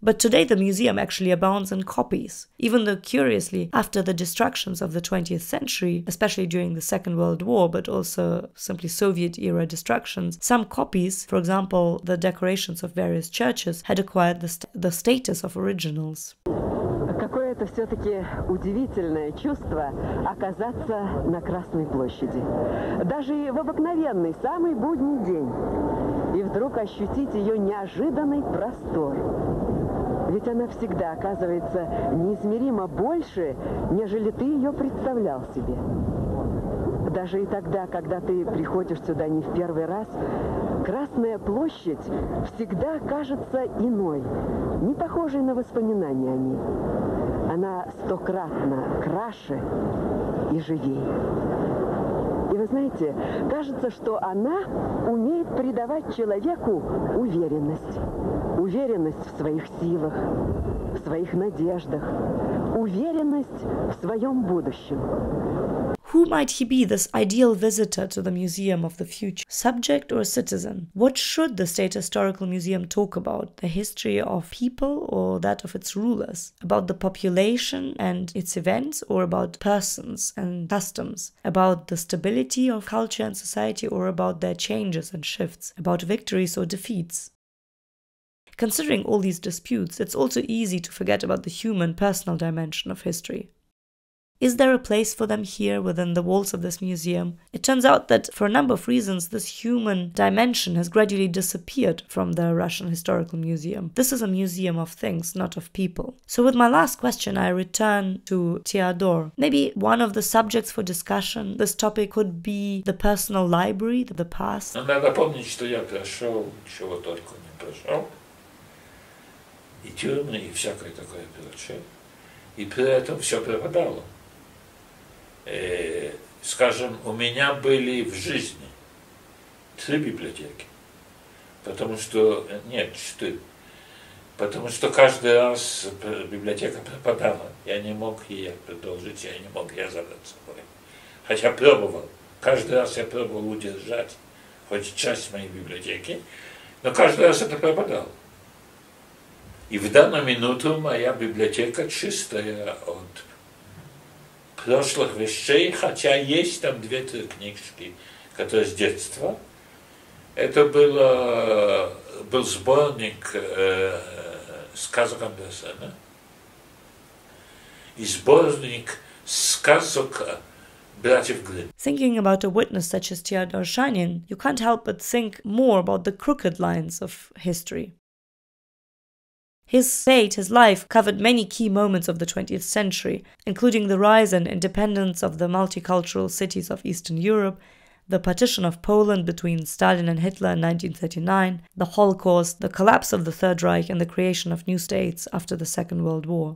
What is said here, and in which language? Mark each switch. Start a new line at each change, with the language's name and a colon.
English: But today the museum actually abounds in copies, even though curiously, after the destructions of the 20th century, especially during the Second World War, but also simply Soviet-era destructions, some copies, for example, the decorations of various churches, had acquired the status of originals.
Russian: Это все-таки удивительное чувство оказаться на Красной площади. Даже в обыкновенный, самый будний день. И вдруг ощутить ее неожиданный простор. Ведь она всегда оказывается неизмеримо больше, нежели ты ее представлял себе. Даже и тогда, когда ты приходишь сюда не в первый раз, Красная площадь всегда кажется иной, не похожей на воспоминания о ней. Она стократно краше и живее. И вы знаете, кажется, что она умеет придавать человеку уверенность. Уверенность в своих силах, в своих надеждах, уверенность в своем будущем.
English: Who might he be, this ideal visitor to the museum of the future? Subject or citizen? What should the state historical museum talk about? The history of people or that of its rulers? About the population and its events or about persons and customs? About the stability of culture and society or about their changes and shifts? About victories or defeats? Considering all these disputes, it's also easy to forget about the human personal dimension of history. Is there a place for them here within the walls of this museum? It turns out that for a number of reasons this human dimension has gradually disappeared from the Russian Historical Museum. This is a museum of things, not of people. So with my last question I return to Teodor. Maybe one of the subjects for discussion, this topic could be the personal library, the past.
Russian: Надо помнить, что я прошел, чего только не прошел. И тюрьмы, и всякое такое прочее. И при этом все пропадало. Скажем, у меня были в жизни 3 библиотеки, потому что, нет, 4, потому что каждый раз библиотека пропадала, я не мог ее продолжить, я не мог ее забрать с собой, хотя пробовал, каждый раз я пробовал удержать хоть часть моей библиотеки, но каждый раз это пропадало. И в данную минуту моя библиотека чистая от прошлых вещей, хотя есть там 2-3 книжки, которые с детства. Это был сборник сказок Андерсена и сборник сказок
English: Thinking about a witness such as Teodor Shanin, you can't help but think more about the crooked lines of history. His fate, his life, covered many key moments of the 20th century, including the rise and independence of the multicultural cities of Eastern Europe, the partition of Poland between Stalin and Hitler in 1939, the Holocaust, the collapse of the Third Reich and the creation of new states after the Second World War.